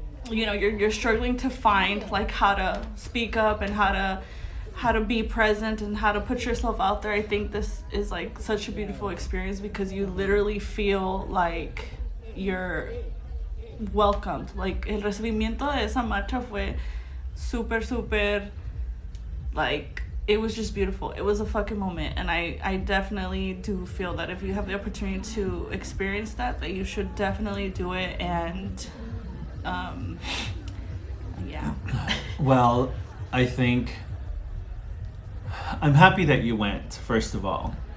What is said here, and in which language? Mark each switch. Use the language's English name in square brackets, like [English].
[English] you know, you're struggling to find like how to speak up and how to be present and how to put yourself out there, I think this is like such a beautiful experience because you literally feel like you're welcomed. Like, [Spanish] el recibimiento de esa marcha fue super, super, [English] like, it was just beautiful. It was a fucking moment. And I definitely do feel that if you have the opportunity to experience that, that you should definitely do it. And yeah. Well, I think I'm happy that you went, first of all.